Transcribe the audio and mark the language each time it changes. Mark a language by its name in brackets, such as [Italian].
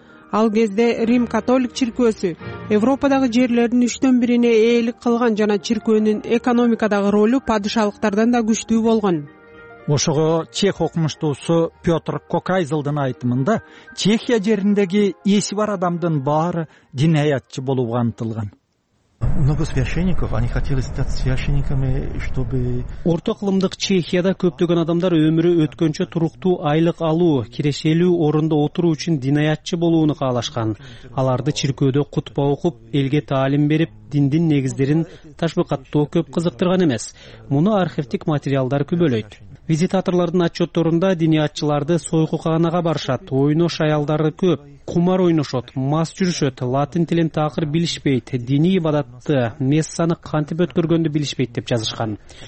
[Kyrgyz] Ал кезде Рим католик чиркөөсү Европадагы жерлердин 3-тен 1-ине ээлик кылган жана чиркөөнүн экономикадагы ролу падышалыктардан да күчтүү болгон. Ошого чех окумуштуусу Пётр Кокайзылдын айтымында Чехия жериндеги эси бар адамдын баары дин аятчы болууга антылган. [Russian] Много священников, они хотели стать священниками, чтобы [Kyrgyz] Орто кылымдык Чехияда көптөгөн адамдар өмүрү өткөнчө туруктуу айлык алуу, кирешелүү орундо отуруу үчүн динаятчы болууну каалашкан. Аларды чиркөөдө кутпа окуп, элге таалим берип, диндин негиздерин ташбыкаттоо көп кызыктырган эмес. Муну архивтик материалдар күбөлөйт. Визитаторлордун отчёттарында диниятчыларды сойкуканага барышат, ойнош аялдары көп, кумар ойношот, мас жүрүшөт, латин тилин такыр билишпейт, диний ибадатты, мессаны кантип өткөргөндү билишпейт деп жазышкан.